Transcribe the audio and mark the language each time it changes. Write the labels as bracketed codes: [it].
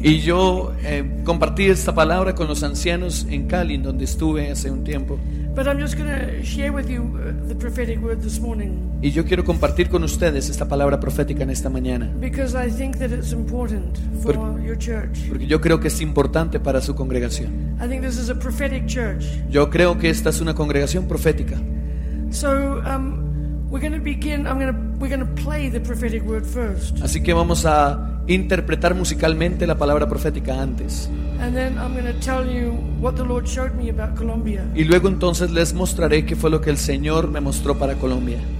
[es] Y yo compartí esta palabra con los ancianos en Cali, donde estuve hace un tiempo. [en] But I'm just going to share with you the prophetic word this morning. [es] Y yo quiero compartir con ustedes esta palabra profética en esta mañana. [en] Because I think that it's important for your church. [es] Porque yo creo que es importante para su congregación. [en] I think this is a prophetic church. [es] Yo creo que esta es una congregación profética. [en] So we're going to play the prophetic word first. [es] Así que vamos a interpretar musicalmente la palabra profética antes. [en] And then I'm going to tell you what the Lord showed me about Colombia. [es] Y luego entonces les mostraré qué fue lo que el Señor me mostró para Colombia.